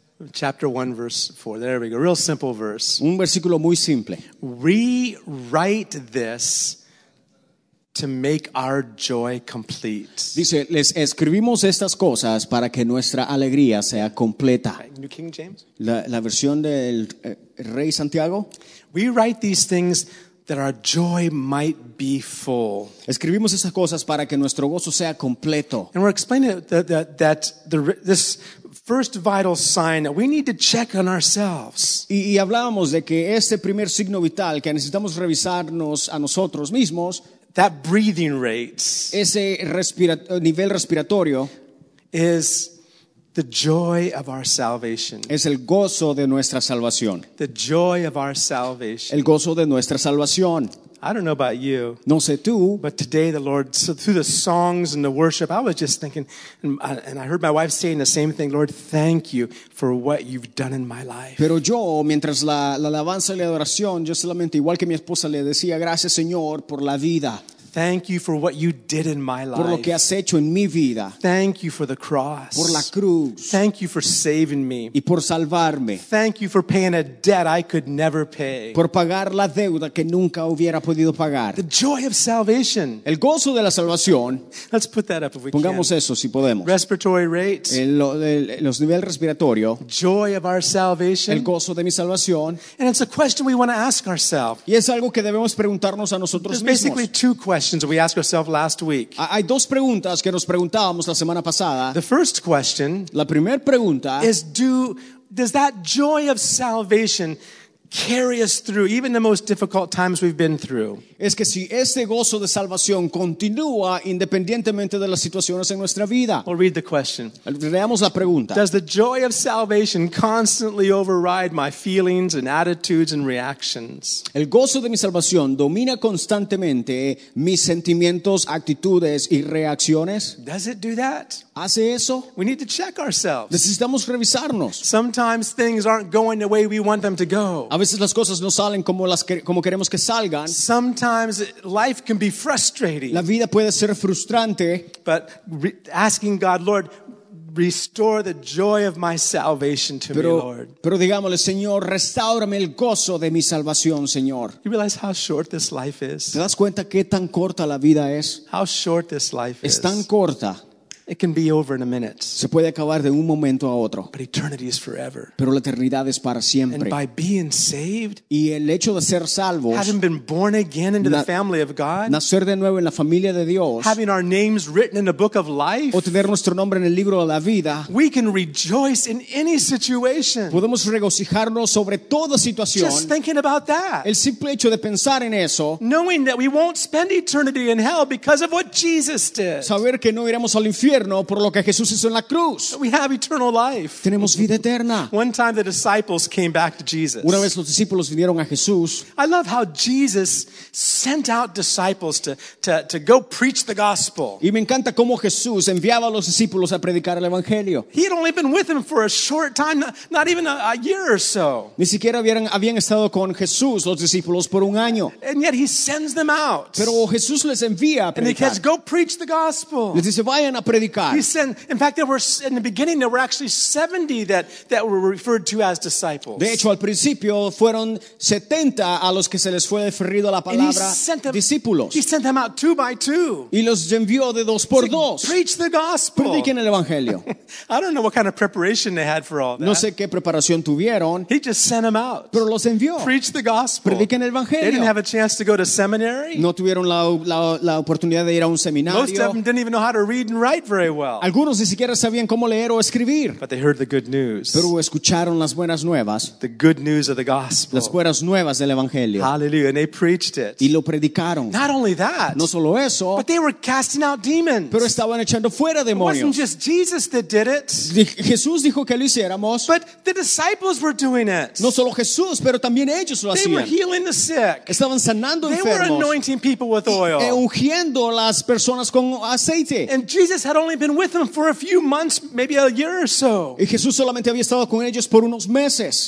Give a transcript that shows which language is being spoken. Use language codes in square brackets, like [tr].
[en] Chapter 1, verse 4. There we go. Real simple verse. [es] Un versículo muy simple. [en] Rewrite this to make our joy complete. [es] Dice, les escribimos estas cosas para que nuestra alegría sea completa. [en] New King James? [es] La versión del Rey Santiago. [en] We write these things that our joy might be full. [es] Escribimos esas cosas para que nuestro gozo sea completo. [en] And we're explaining this first vital sign that we need to check on ourselves. [es] Y hablábamos de que este primer signo vital que necesitamos revisarnos a nosotros mismos. [en] That breathing rate, [es] ese nivel respiratorio, [en] is the joy of our salvation. [es] Es el gozo de nuestra salvación. [en] The joy of our salvation. [es] El gozo de nuestra salvación. [en] I don't know about you. [es] No sé tú. [en] But today the Lord, so through the songs and the worship, I was just thinking, and I heard my wife saying the same thing, Lord, thank you for what you've done in my life. [es] Pero yo, mientras la alabanza y la adoración, yo solamente, igual que mi esposa, le decía, gracias, Señor, por la vida. [en] Thank you for what you did in my life. [es] Por lo que has hecho en mi vida. [en] Thank you for the cross. [es] Por la cruz. [en] Thank you for saving me. [es] Y por salvarme. [en] Thank you for paying a debt I could never pay. [es] Por pagar la deuda que nunca hubiera podido pagar. [en] The joy of salvation. [es] El gozo de la salvación. [en] Let's put that up if we [es] Pongamos [en] can. [es] Eso si podemos. [en] Respiratory rate. [es] Los niveles respiratorios. [en] Joy of our salvation. [es] El gozo de mi salvación. [en] And it's a question we want to ask ourselves. [es] Y es algo que debemos preguntarnos a nosotros mismos. [en] Basically two questions we asked ourselves last week. [es] Hay dos preguntas que nos preguntábamos la semana pasada. [en] The first question, [es] la primer pregunta, [en] is does that joy of salvation carry us through even the most difficult times we've been through? [es] Es que si ese gozo de salvación continúa independientemente de las situaciones en nuestra vida. [en] We'll read the question. [es] Leamos la pregunta. [en] Does the joy of salvation constantly override my feelings and attitudes and reactions? [es] El gozo de mi salvación domina constantemente mis sentimientos, actitudes y reacciones? [en] Does it do that? [es] ¿Hace eso? [en] We need to check ourselves. [es] Necesitamos revisarnos. [en] Sometimes things aren't going the way we want them to go. [es] A veces las cosas no salen como queremos que salgan. [en] Sometimes life can be frustrating. [es] La vida puede ser frustrante. [en] But asking God, Lord, restore the joy of my salvation to [es] pero, [en] me, Lord. [es] Pero digámosle, Señor, restáurame el gozo de mi salvación, Señor. [en] You realize how short this life is? [es] ¿Te das cuenta qué tan corta la vida es? [en] How short this life [es] es tan corta. [en] It can be over in a minute. [es] Se puede acabar de un momento a otro. [en] But eternity is forever. [es] Pero la eternidad es para siempre. [en] And by being saved, [es] y el hecho de ser salvos, [en] having been born again into the family of God, [es] nacer de nuevo en la familia de Dios, [en] having our names written in the book of life, [es] o tener nuestro nombre en el libro de la vida, [en] we can rejoice in any situation. [es] Podemos regocijarnos sobre toda situación. [en] Just thinking about that. [es] El simple hecho de pensar en eso. [en] Knowing that we won't spend eternity in hell because of what Jesus did. [es] Saber que no iremos al infierno por lo que Jesús hizo en la cruz. [en] We have eternal life. [es] Tenemos vida eterna. [en] One time the disciples came back to Jesus. [es] Una vez los discípulos vinieron a Jesús. [en] I love how Jesus sent out disciples to go preach the gospel. [es] Y me encanta cómo Jesús enviaba a los discípulos a predicar el evangelio. [en] He had only been with them for a short time, not even a year or so. [es] Ni siquiera habían estado con Jesús los discípulos por un año. [en] And yet he sends them out. [es] Pero Jesús les envía a predicar. [en] And he says, "Go preach the gospel." [es] Les dice, vayan a predicar. [en] He sent, in fact, there were in the beginning there were actually 70 that were referred to as disciples. [es] De hecho, al principio fueron 70 a los que se les fue referido la palabra discípulos. [en] He sent them out two by two. [es] Y los envió de dos por dos. [en] Preach the gospel. [es] Prediquen el evangelio. [en] I don't know what kind of preparation they had for all that. [es] No sé qué preparación tuvieron. [en] He just sent them out. [es] Pero los envió. [en] Preach the gospel. [es] Prediquen el evangelio. [en] They didn't have a chance to go to seminary. [es] No tuvieron la oportunidad de ir a un seminario. [en] Most of them didn't even know how to read and write very well. [es] Algunos ni siquiera sabían cómo leer o escribir. [en] But they heard the good news. [es] Pero escucharon las buenas nuevas. [en] The good news of the gospel. [es] Las buenas nuevas del evangelio. [en] Hallelujah. And they preached it. [es] Y lo predicaron. [en] Not only that. [es] No solo eso. [en] But they were casting out demons. [es] Pero estaban echando fuera demonios. [en] It wasn't just Jesus that did it. [es] Jesús dijo que lo hiciéramos. [en] But the disciples were doing it. [es] No solo Jesús, pero también ellos lo hacían. [en] They were healing the sick. [es] Estaban sanando [en] they [es] enfermos. [en] They were anointing people with oil. [es] Y ungiendo las personas con aceite. [en] And Jesus had only been with them for a few months, maybe a year or so. [es] Y Jesús solamente había estado con ellos por unos meses.